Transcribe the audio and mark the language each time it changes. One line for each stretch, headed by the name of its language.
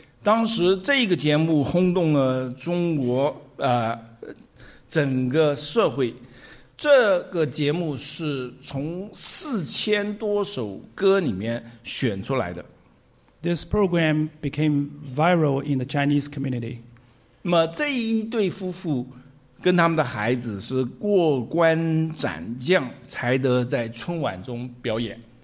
Chinese: 当时这个节目轰动了中国整个社会。这个节目是从4000多首歌里面选出来的。
English: This program became viral in the Chinese community.
Chinese: 那么这一对夫妇跟他们的孩子是过关斩将才得在春晚中表演。